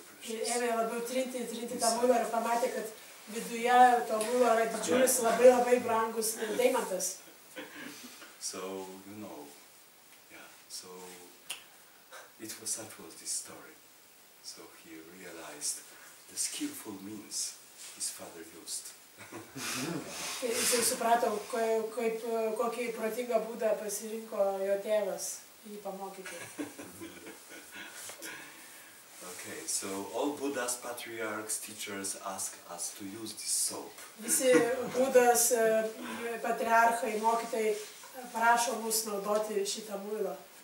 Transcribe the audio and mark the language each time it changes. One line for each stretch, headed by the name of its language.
Lithuanian: Ir ėmė labiau trinti tą muilą ir pamatė, kad viduje to muilo yra didžiulis, labai brangus deimantas.
English: So, you know, yeah, so it was such was this story. So he realized the skillful means his father used.
Lithuanian: Jis jau suprato, kokį protingą būdą pasirinko jo tėvas jį pamokyti.
English: Okay, so all Buddhas, patriarchs, teachers ask us to use this soap.
Lithuanian: Visi Buddhas, patriarchai, mokytojai prašo mus naudoti šitą muilą.